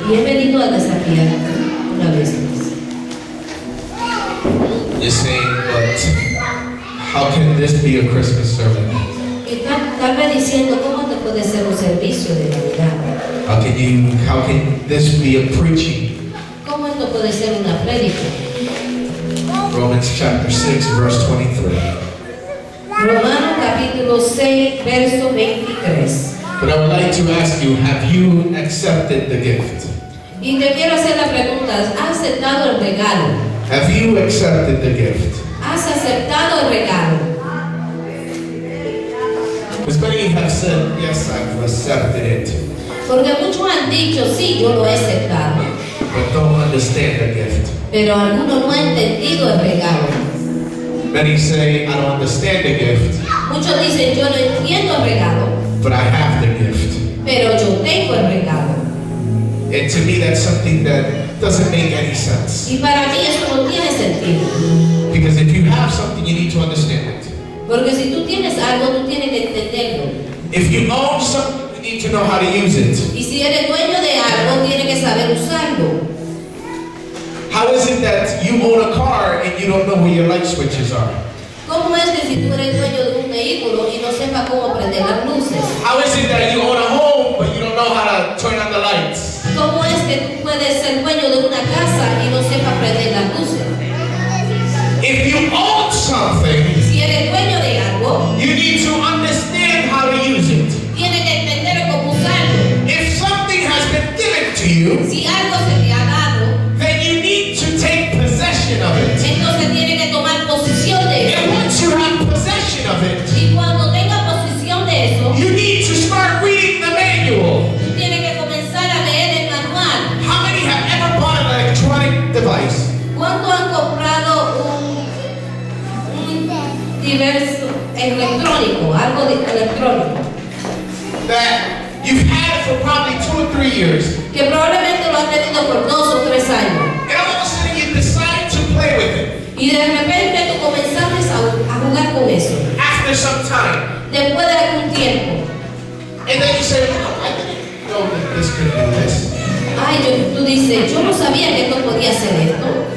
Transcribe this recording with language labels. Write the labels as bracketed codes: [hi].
[es] Y he venido a desafiar una vez más. [en] You're saying, but how can this be a Christmas sermon? [es] Estaba diciendo, ¿cómo te puede ser un servicio de Navidad? [en] How can this be a preaching? [es] ¿Cómo esto puede ser una prédica? [en] Romans chapter 6, verse 23. [es] Romanos capítulo 6, verso 23. [en] But I would like to ask you, have you accepted the gift? [es] Y te quiero hacer la pregunta, ¿has aceptado el regalo? [en] Have you accepted the gift? [es] ¿Has aceptado el regalo? [en] Because many have said, yes, I've accepted it. [es] Porque muchos han dicho, sí, yo lo he aceptado. [en] But don't understand the gift. [es] Pero algunos no han entendido el regalo. [en] Many say, I don't understand the gift. [es] Muchos dicen, yo no entiendo el regalo. [en] But I have the gift. [es] Pero yo tengo el regalo. [en] And to me, that's something that doesn't make any sense. [es] Y para mí eso no tiene sentido. [en] Because if you have something, you need to understand it. [es] Porque si tú tienes algo, tú tienes que entenderlo. [en] If you own something, need to know how to use it. [es] Y si eres dueño de algo, tiene que saber usarlo. [en] How is it that you own a car and you don't know where your light switches are? [es] ¿Cómo es que si tú eres dueño de un vehículo y no sepa cómo prender las luces? [en] How is it that you own a home but you don't know how to turn on the lights? [es] ¿Cómo es que tú puedes ser dueño de una casa y no sepa prender las luces? [en] If you own something, [es] si eres dueño de algo, [en] you need to understand how to use it. [es] Tiene que entender cómo usarlo. [en] If something has been given to you, [es] si algo se te ha dado, [en] then you need to take possession of it. [es] Entonces tiene que tomar posesión de eso. [en] And once you have possession of it, [es] y cuando tenga posesión de eso, [en] you need to start reading the manual. [es] Tú tienes que comenzar a leer el manual. [en] How many have ever bought an electronic device? [es] ¿Cuánto han comprado un diverso electrónico, algo de electrónico? [en] That you've had it for probably 2 or 3 years. [es] Que probablemente lo has tenido por 2 o 3 años. [en] And all of a sudden you decide to play with it. [es] Y de repente tú comenzas a jugar con eso. [en] After some time. [es] Después de algún tiempo. [en] And then you say, oh, I didn't know that this could be this. [es] Ay, tú dices, yo no sabía que esto podía ser esto.